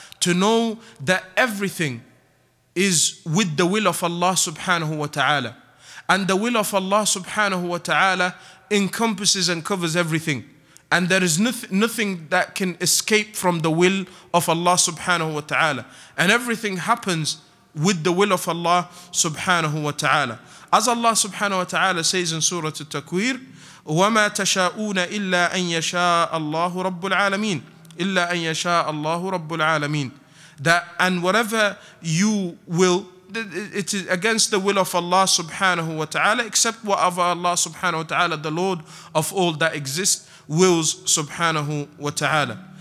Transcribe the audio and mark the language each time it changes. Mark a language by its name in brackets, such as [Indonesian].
[English] To know that everything is with the will of Allah subhanahu wa ta'ala. And the will of Allah subhanahu wa ta'ala encompasses and covers everything. And there is nothing that can escape from the will of Allah subhanahu wa ta'ala. And everything happens with the will of Allah subhanahu wa ta'ala. As Allah subhanahu wa ta'ala says in Surah At-Takwir, [Arabic] وَمَا تَشَاءُونَ إِلَّا أَنْ يَشَاءَ اللَّهُ رَبُّ الْعَالَمِينَ إِلَّا أَنْ يَشَاءَ اللَّهُ رَبُّ الْعَالَمِينَ. [English] That, and whatever you will, it is against the will of Allah subhanahu wa ta'ala, except whatever Allah subhanahu wa ta'ala, the Lord of all that exists, wills subhanahu wa ta'ala.